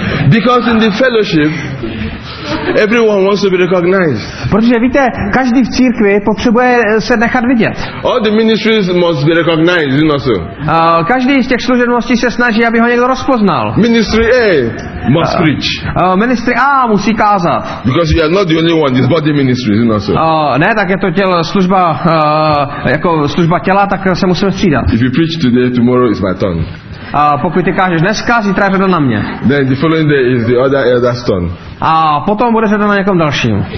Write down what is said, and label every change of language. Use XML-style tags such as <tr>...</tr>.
<en>Because in the fellowship, everyone wants to be recognized.</en> <cs>Protože víte, každý v církvi potřebuje se nechat vidět.</cs> <en>All the ministries must be recognized, you know so.</en> <cs>Každý z těch služebností se snaží, aby ho někdo rozpoznal.</cs> <en>Ministry A must preach. Ministry A</en> <cs>musí kázat.</cs> <en>Because you are not the only one, it's body ministry, you know so.</en> <cs>Ne, tak je to služba jako služba těla, tak se musíme střídat.</cs> <en>If you preach today, tomorrow is my turn.</en> <cs>A pokud ty kážeš dneska, zítra je to na mě.</cs> <en>Then the following day is the other elder stone.</en> <cs>A potom bude řada na někom dalším.</cs>